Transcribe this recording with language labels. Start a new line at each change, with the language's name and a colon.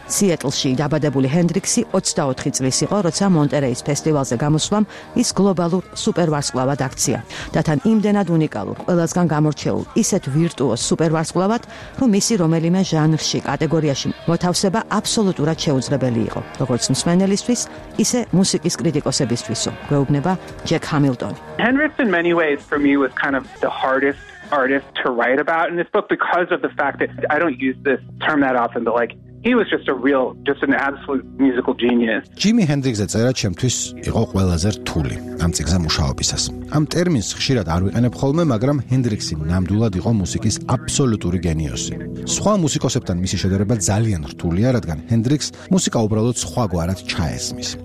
Georgian: სიეტლში დაბადებული ჰენდრიქსი 24 წლის იყო, როცა მონტერეის ფესტივალზე გამოსვლამ ის გლობალურ სუპერვარსკვლავად აქცია. და თან იმდენად უნიკალურ, ყველასგან გამორჩეულ, ისეთ ვირტუოზ სუპერვარსკვლავად, რომ მისი რომელიმე ჟანრში, კატეგორიაში მოთავსება აბსოლუტურად შეუძლებელი იყო, როგორც მსმენელისთვის, ისე მუსიკის კრიტიკოსებისთვისო, გვეუბნება ჯეკ ჰამილტონი.
English: Hendrix in many ways for me was kind of the hardest artist to write about in this book, because of the fact that I don't use this term that often, but like he was just a real, just an absolute musical genius.
Georgian: ჯიმი ჰენდრიქსი წერა ჩემთვის იყო ყველაზე რთული ამ წიგნზე მუშაობისას. ამ ტერმინს ხშირად არ ვიყენებ ხოლმე, მაგრამ ჰენდრიქსი ნამდვილად იყო მუსიკის აბსოლუტური გენიოსი. სხვა მუსიკოსებთან მისი შედარება ძალიან რთულია, რადგან ჰენდრიქს მუსიკა უბრალოდ სხვაგვარად ჩაესმის.